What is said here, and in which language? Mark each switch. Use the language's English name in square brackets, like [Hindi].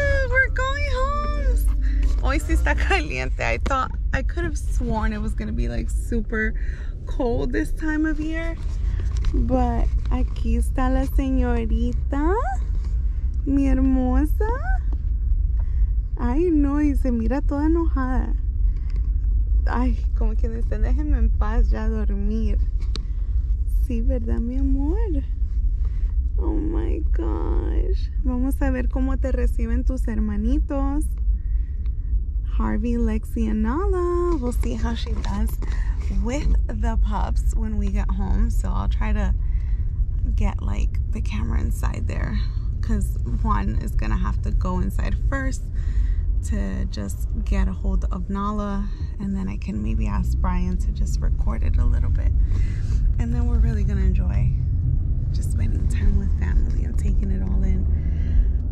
[English] We're going home. [Spanish] Hoy si está caliente. [English] I thought I could have sworn it was gonna be like super cold this time of year, but [Spanish] aquí está la señorita, mi hermosa. Ay no, y se mira toda enojada. Ay, como que dice, déjenme en paz ya dormir. Sí, ¿verdad, mi amor? [English] Oh, my gosh. [Spanish] Vamos a ver cómo te reciben tus hermanitos. [English] Harvey, Lexi, and Nala. We'll see how she does with the pups when we get home. So I'll try to get, like, the camera inside there. Because Juan is going to have to go inside first to just get a hold of Nala, and then I can maybe ask Brian to just record it a little bit, and then we're really gonna enjoy just spending time with family and taking it all in.